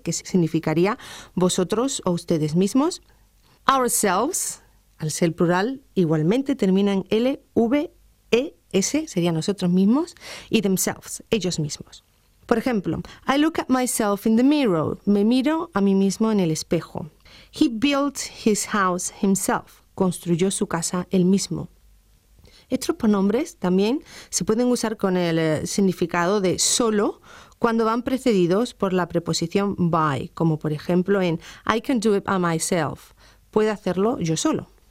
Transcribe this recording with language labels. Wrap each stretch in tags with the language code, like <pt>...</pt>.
<es>Que significaría vosotros o ustedes mismos. Ourselves, al ser plural, igualmente termina en LVES, sería nosotros mismos, y themselves, ellos mismos. Por ejemplo,</es> <en>I look at myself in the mirror.</en> <es>Me miro a mí mismo en el espejo.</es> <en>He built his house himself.</en> <es>Construyó su casa él mismo. Estos pronombres también se pueden usar con el significado de solo cuando van precedidos por la preposición by, como por ejemplo en</es> <en>I can do it by myself.</en> <es>Puedo hacerlo yo solo.</es>